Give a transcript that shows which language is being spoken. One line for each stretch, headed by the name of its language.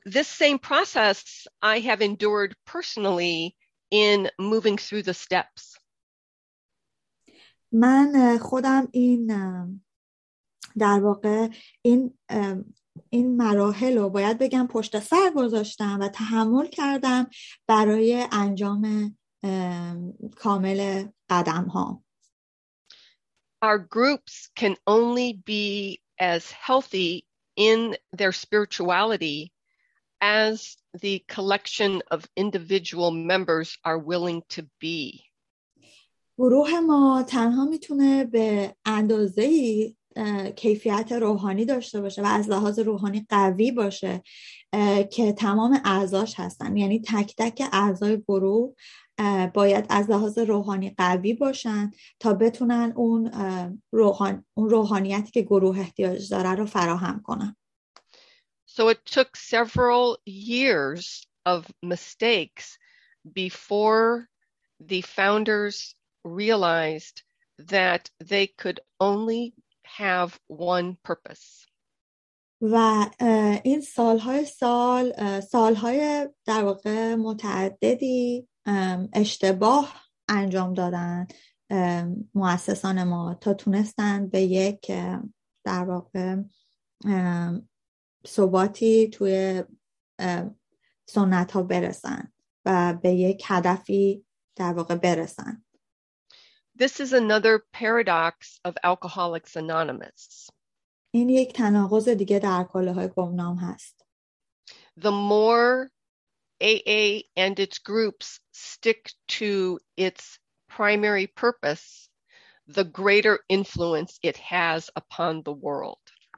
English: this same process I have endured personally in moving through the steps.
Persian: من خودم این در واقع این مراحل رو باید بگم پشت سر گذاشتم و تحمل کردم برای انجام کامل قدم ها.
English: Our groups can only be as healthy in their spirituality as the collection of individual members are willing to be.
Persian: گروه ما تنها میتونه به اندازه‌ای کیفیت روحانی داشته باشه و از لحاظ روحانی قوی باشه که تمام اعضاش هستن، یعنی تک تک اعضای گروه باید از لحاظ روحانی قوی باشن تا بتونن اون روحانیتی که گروه احتیاج داره رو فراهم کنن.
English: So it took several years of mistakes before the founders realized that they could only have one purpose.
Persian: و این سالهای در واقع متعددی اشتباه انجام دادن مؤسسان ما تا تونستن به یک در واقع ثباتی توی سنت ها برسن و به یک هدفی در واقع برسن.
English: This is another paradox of Alcoholics Anonymous.
Persian: این یک تناقض دیگه در الکل‌های گمنام هست.
English: The more AA and its groups stick to its primary purpose, the greater influence it has upon the world.